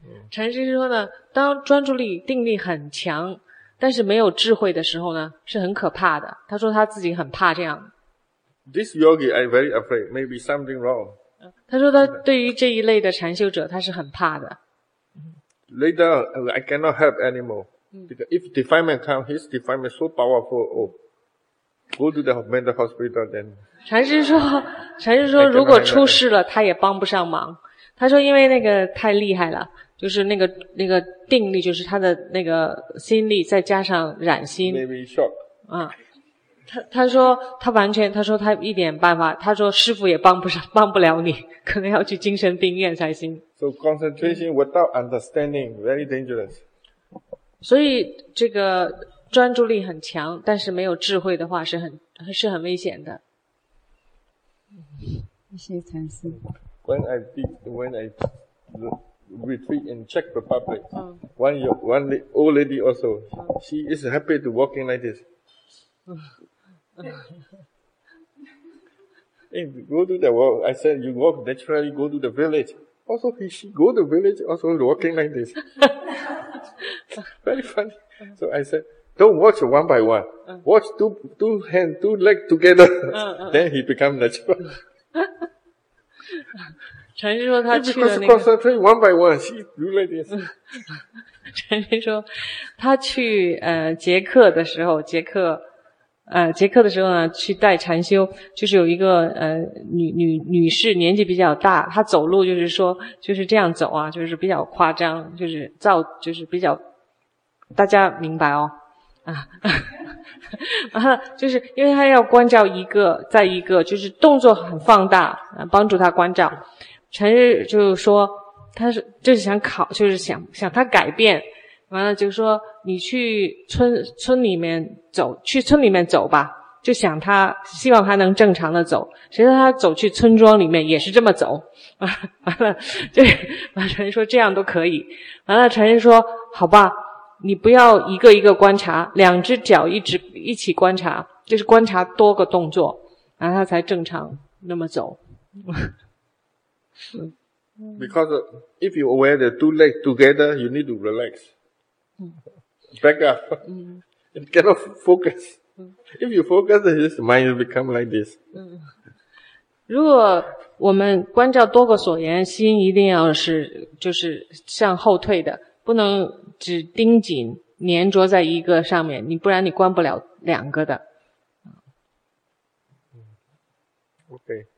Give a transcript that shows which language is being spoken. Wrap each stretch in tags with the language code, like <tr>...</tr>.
<zh>禅师说呢，当专注力定力很强，但是没有智慧的时候呢，是很可怕的。他说他自己很怕这样。</zh> <en>This yogi, I'm very afraid. Maybe something wrong.</en> <zh>他说他对于这一类的禅修者，他是很怕的。</zh> <en>Later, I cannot help anymore. Because if defilement comes, his defilement is so powerful, go to the mental hospital then.</en> <zh>禅师说如果出事了他也帮不上忙。他说因为那个太厉害了，就是那个定力，就是他的那个心力再加上染心。</zh> <en>Maybe shock.</en> <zh>他说他一点办法，他说师父也帮不了你，可能要去精神病院才行。</zh> <en>So concentration without understanding, very dangerous.</en> <zh>所以这个专注力很强，但是没有智慧的话是很危险的。谢谢禅师。</zh> <en>When I retreat in Czech Republic, one old lady also, she is happy to walk in like this. Hey, go to the walk. I said you walk naturally. Go to the village. Also, she go to the village. Also, walking like this. Very funny. So I said, don't watch one by one. Watch two hands, two legs together. Then he become natural.</en> <zh>禅师说他去了那个。</zh> <en>Because concentrate one by one, she do like this.</en> <zh>禅师说他去捷克的时候，捷克的时候呢，去带禅修，就是有一个女士年纪比较大，她走路就是这样走啊，就是比较夸张，就是比较，大家明白哦啊，就是因为她要关照一个，在一个就是动作很放大，帮助她关照，禅师就说，他是就是想考，就是想她改变。完了就说你去村里面走吧，就想他希望他能正常的走，谁知道他走去村庄里面也是这么走，完了禅师说这样都可以，完了禅师说好吧，你不要一个一个观察，两只脚一起观察，就是观察多个动作，然后他才正常那么走。</zh> <en>Because if you wear the two legs together, you need to relax. Back up. It cannot focus. If you focus, his mind will become like this.</en> <zh>如果我们观照多个所缘，心一定要是就是向后退的，不能只盯紧粘着在一个上面，你不然你关不了两个的。</zh> <en>OK.</en>